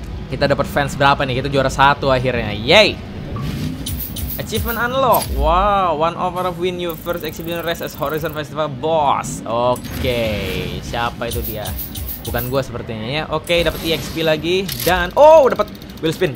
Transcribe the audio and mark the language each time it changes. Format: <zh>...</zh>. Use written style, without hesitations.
<id>Kita dapat fans berapa nih? Kita juara 1 akhirnya.</id> <en>Yay! Achievement unlock. Wow, one offer of win your first exhibition race as Horizon Festival boss.</en> <id>Oke, siapa itu dia? Bukan gue sepertinya ya. Oke, dapat EXP lagi dan oh, dapat wheel spin.</id>